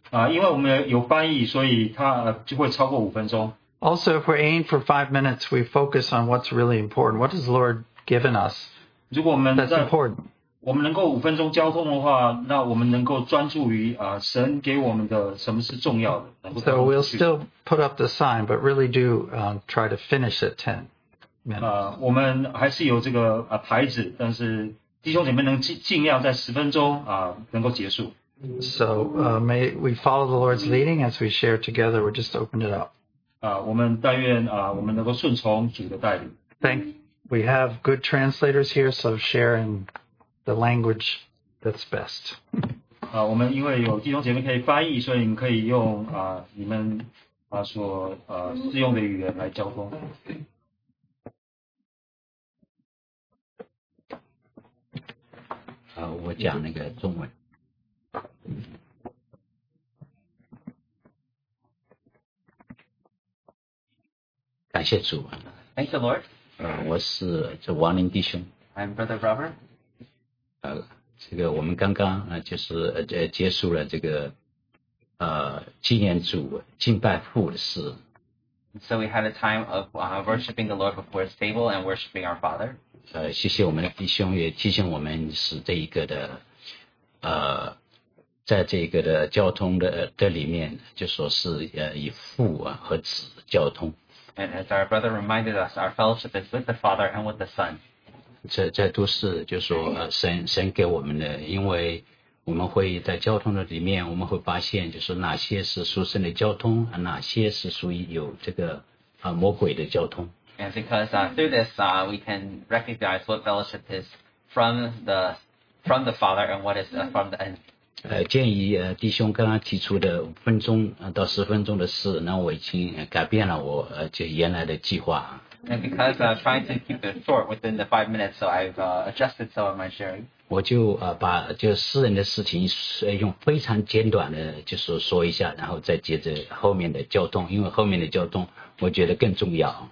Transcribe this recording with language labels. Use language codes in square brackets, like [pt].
[zh] 因为我们有翻译，所以它就会超过五分钟。 [en] Also, if we aim for 5 minutes, we focus on what's really important. What has the Lord given us? [zh] 如果我们 [en] that's important. [zh] 我们能够五分钟交通的话，那我们能够专注于神给我们的什么是重要的。 [en] So we'll still put up the sign, but really do try to finish at 10. [zh] 我们还是有这个牌子，但是弟兄姐妹能尽量在十分钟能够结束。 [en] So may we follow the Lord's leading as we share together. We'll just open it up. [zh] 我们但愿我们能够顺从主的带领。 [en] Thank. We have good translators here, so share in the language that's best. 我们因为有弟兄姐妹可以翻译，所以你可以用你们所适用的语言来交通。 [zh] 我讲那个中文。感谢主。 [en] Thank you, Lord. [zh] 我是这王林弟兄。 [en] I'm Brother Robert. [zh] 这个我们刚刚就是结束了这个纪念主敬拜父的事。 [en] So we had a time of worshiping the Lord before his table and worshiping our Father. [zh] 谢谢我们的弟兄也提醒我们是这一个的在这个的交通的里面就说是以父和子交通。 [en] And as our brother reminded us, our fellowship is with the Father and with the Son. [zh] 这都是就是说神给我们的，因为我们会在交通的里面，我们会发现就是哪些是属神的交通，哪些是属于有这个魔鬼的交通。 [en] And because through this, we can recognize what fellowship is from the Father and what is from the end. [zh] 鉴于弟兄刚刚提出的五分钟到十分钟的事，那我已经改变了我就原来的计划。 [en] And because I'm trying to keep it short within the 5 minutes, so I've adjusted some of my sharing. [zh] 我就把就私人的事情用非常简短的就是说一下，然后再接着后面的交通，因为后面的交通我觉得更重要。